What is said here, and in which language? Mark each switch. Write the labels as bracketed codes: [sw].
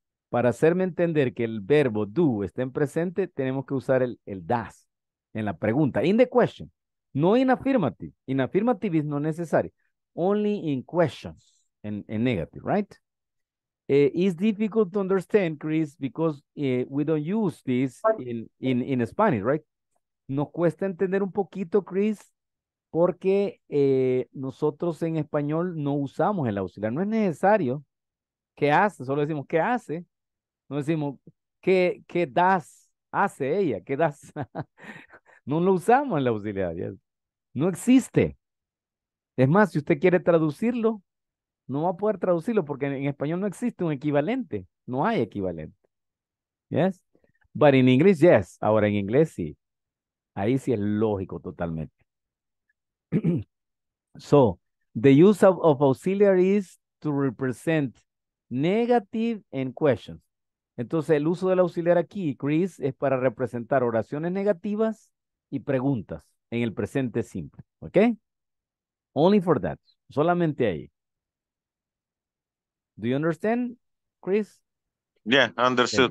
[es] Para hacerme entender que el verbo do está en presente, tenemos que usar el does en la pregunta, [en] in the question, no in affirmative. In affirmative is not necessary, only in questions, in negative, right? It's difficult to understand, Chris, because we don't use this in Spanish, right? [es] Nos cuesta entender un poquito, Chris, porque nosotros en español no usamos el auxiliar. No es necesario. ¿Qué hace? Solo decimos, ¿qué hace? No decimos, ¿qué das? ¿Hace ella? ¿Qué das? No lo usamos el auxiliar. Yes. No existe. Es más, si usted quiere traducirlo, no va a poder traducirlo porque en español no existe un equivalente. No hay equivalente. Yes. [en] But in English, yes. [es] Ahora en inglés, sí. Ahí sí es lógico totalmente. [en] So, the use of auxiliary is to represent negative and questions. [es] Entonces, el uso del auxiliar aquí, Chris, es para representar oraciones negativas y preguntas en el presente simple. [en] ¿Ok? Only for that. [es] Solamente ahí. [en] Do you understand, Chris? Yeah, understood.